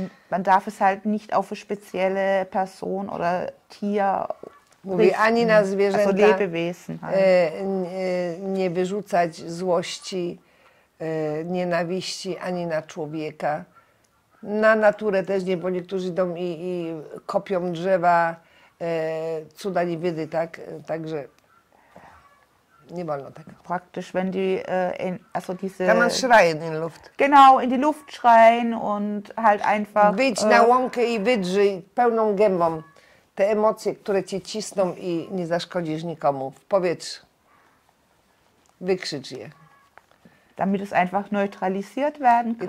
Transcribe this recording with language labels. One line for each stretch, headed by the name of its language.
German: Man darf es halt nicht auf eine spezielle Person oder Tier.
Polish: Mówi, ani na zwierzęta
German: Lebewesen,
Polish: nie wyrzucać złości, nienawiści, ani na człowieka. Na naturę też nie, bo niektórzy idą i kopią drzewa. Cuda nie wiedzy, tak? Także nie wolno tak.
German: Praktisch, wenn die also diese. Kann man schreien in Luft. Genau, in die Luft schreien und halt einfach.
Polish: Wyjdź na łąkę i wydrzyj pełną gębą te emocje, które cię cisną i nie zaszkodzisz nikomu. Powiedz, wykrzycz je.
German: Damit es einfach neutralisiert werden kann.